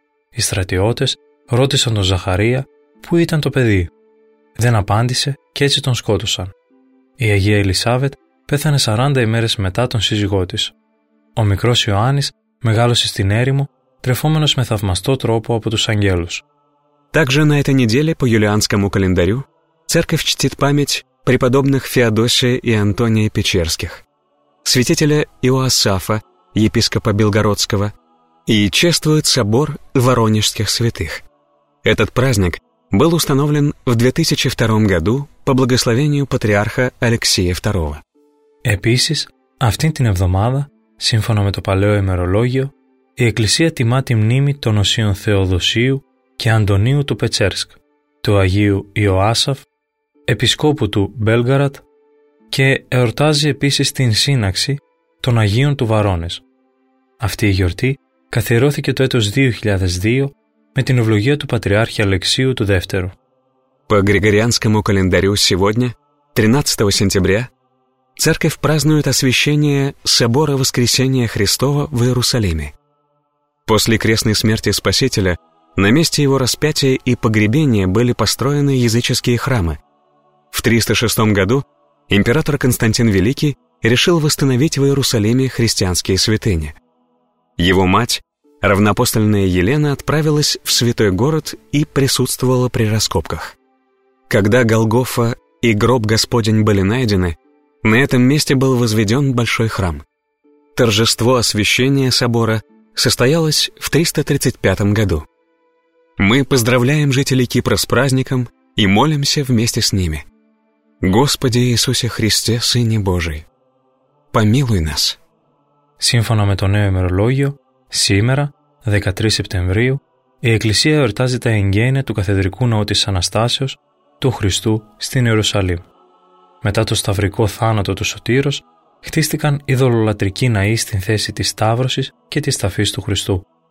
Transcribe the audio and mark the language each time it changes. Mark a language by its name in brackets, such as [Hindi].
[Greek] Οι στρατιώτες ρώτησαν τον Ζαχαρία πού ήταν το παιδί. Δεν απάντησε και έτσι τον σκότωσαν. Η Αγία Ελισάβετ πέθανε 40 ημέρες μετά τον σύζυγό της. Ο μικρός Ιωάννης μεγάλωσε στην έρημο, τρεφόμενος με θαυμαστό τρόπο από τους αγγέλους. [Russian] Также на этой неделе по юлианскому календарю церковь чтит память преподобных Феодосия и Антония Печерских, святителя Иоасафа, епископа Белгородского, и чествует собор Воронежских святых. Этот праздник был установлен в 2002 году по благословению патриарха Алексея II. [Greek] Επίσης, αυτήν την εβδομάδα, σύμφωνα με το παλαιό ημερολόγιο, η Εκκλησία τιμά τη μνήμη των οσίων Θεοδοσίου και Αντωνίου του Πετσέρσκ, του Αγίου Ιωάσαφ, επισκόπου του Μπέλγαρατ, και εορτάζει επίσης την σύναξη των Αγίων του Βαρώνες. Αυτή η γιορτή καθιερώθηκε το έτος 2002 με την ευλογία του Πατριάρχη Αλεξίου του Δεύτερου. [Russian] По Григорианскому календарю сегодня, 13 сентября, Церковь празднует освящение Собора Воскресения Христова в Иерусалиме. После крестной смерти Спасителя на месте его распятия и погребения были построены языческие храмы. В 306 году император Константин Великий решил восстановить в Иерусалиме христианские святыни. Его мать, равноапостольная Елена, отправилась в святой город и присутствовала при раскопках. Когда Голгофа и гроб Господень были найдены, на этом месте был возведен большой храм. Торжество освящения собора состоялось в 335 году. Мы поздравляем жителей Кипра с праздником и молимся вместе с ними. Господи Иисусе Христе, Сыне Божий, помилуй нас. [Greek] Σύμφωνα με το νέο ημερολόγιο, σήμερα, 13 Σεπτεμβρίου, η Εκκλησία εορτάζει τα εγγένεια του Καθεδρικού Ναού της Αναστάσεως του Χριστού στην Ιερουσαλήμ. Μετά το σταυρικό θάνατο του Σωτήρος, χτίστηκαν ειδωλολατρικοί ναοί στην θέση της Σταύρωσης και της Ταφής του Χριστού.